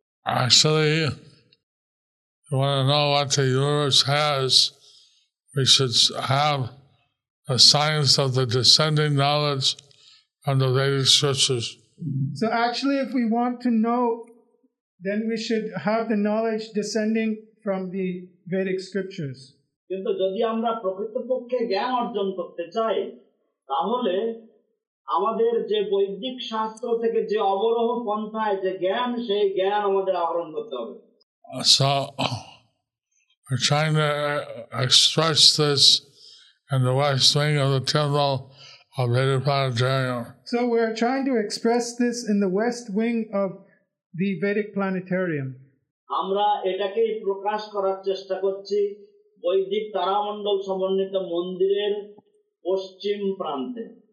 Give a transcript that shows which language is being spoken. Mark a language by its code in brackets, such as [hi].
[en] Actually, if you want to know what the universe has, we should have a science of the descending knowledge from the Vedic scriptures. So actually, if we want to know, then we should have the knowledge descending from the Vedic scriptures. [bn] কিন্তু যদি আমরা প্রকৃতপক্ষে জ্ঞান অর্জন করতে চাই তাহলে আমাদের যে বৈদিক শাস্ত্র থেকে যে অবরোহ পন্থায় যে জ্ঞান, সেই জ্ঞান আমাদের আহরণ করতে হবে। [en] So, we're trying to express this in the West Wing of the Temple of Vedic Planetarium. So we are trying to express this in the West Wing of the Vedic Planetarium. [bn] আমরা এটাকেই প্রকাশ করার চেষ্টা করছি বৈদিক তারামণ্ডল সমন্বিত মন্দিরের পশ্চিম প্রান্তে।